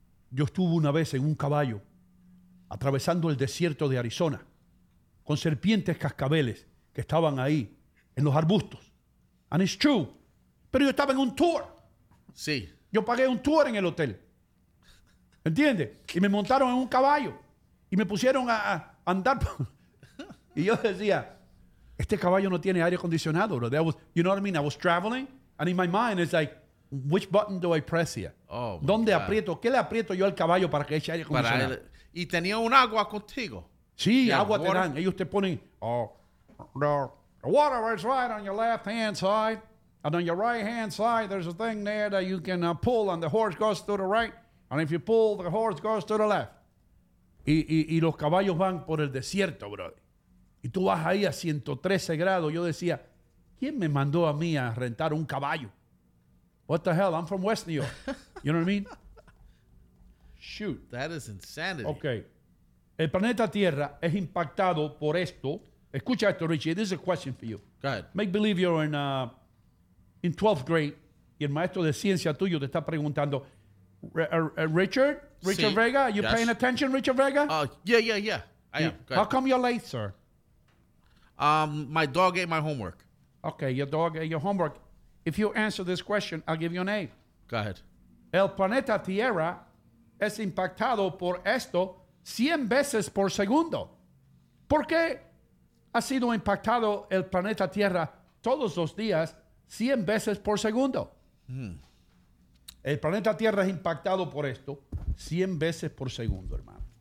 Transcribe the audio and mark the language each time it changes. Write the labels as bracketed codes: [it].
[es] Yo estuve una vez en un caballo atravesando el desierto de Arizona con serpientes cascabeles que estaban ahí en los arbustos. [en] And it's true. [es] Pero yo estaba en un tour. Sí. Yo pagué un tour en el hotel. ¿Entiendes? Y me montaron en un caballo. Y me pusieron a andar. Y yo decía, este caballo no tiene aire acondicionado. [en] Bro. That was, you know what I mean? I was traveling. And in my mind, it's like, which button do I press here? Oh, [es] ¿dónde [en] God. [es] Aprieto? ¿Qué le aprieto yo al caballo para que eche aire acondicionado? Para el, y tenía un agua contigo. Sí, agua te dan. Ellos te ponen... [en] Oh, no. The water is right on your left hand side, and on your right hand side, there's a thing there that you can pull, and the horse goes to the right, and if you pull, the horse goes to the left. [es] Y los caballos van por el desierto, brother. Y tú vas ahí a 113 grados. Yo decía, ¿quién me mandó a mí a rentar un caballo? [en] What the hell? I'm from West New York. You know what I mean? Shoot. That is insanity. [es] Okay. El planeta Tierra es impactado por esto. Escucha esto, Richie. [en] This is a question for you. Go ahead. Make believe you're in 12th grade [es] y el maestro de ciencia tuyo te está preguntando, [en] Richard? Richard See? Vega? Are you yes. paying attention, Richard Vega? Yeah. I am. How come you're late, sir? My dog ate my homework. Okay, your dog ate your homework. If you answer this question, I'll give you an A. Go ahead. [es] El planeta Tierra es impactado por esto 100 veces por segundo. ¿Por qué ha sido impactado el planeta Tierra todos los días 100 veces por segundo? El planeta Tierra es impactado por esto 100 veces por segundo, hermano.